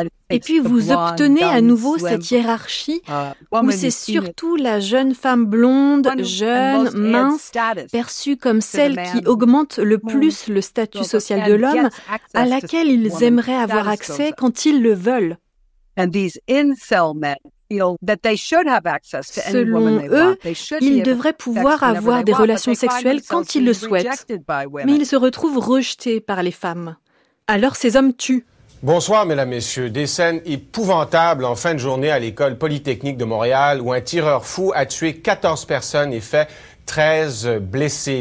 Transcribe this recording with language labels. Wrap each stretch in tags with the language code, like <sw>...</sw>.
<fr>Et puis vous obtenez à nouveau cette hiérarchie où c'est surtout la jeune femme blonde, jeune, mince, perçue comme celle qui augmente le plus le statut social de l'homme, à laquelle ils aimeraient avoir accès quand ils le veulent.</fr> <en>And these incel men feel that they should have access to any woman they want.</en> <fr>Selon eux, ils devraient pouvoir avoir des relations sexuelles quand ils le souhaitent, mais ils se retrouvent rejetés par les femmes. Alors ces hommes tuent. Bonsoir, mesdames, messieurs. Des scènes épouvantables en fin de journée à l'école polytechnique de Montréal, où un tireur fou a tué 14 personnes et fait 13 blessés.</fr>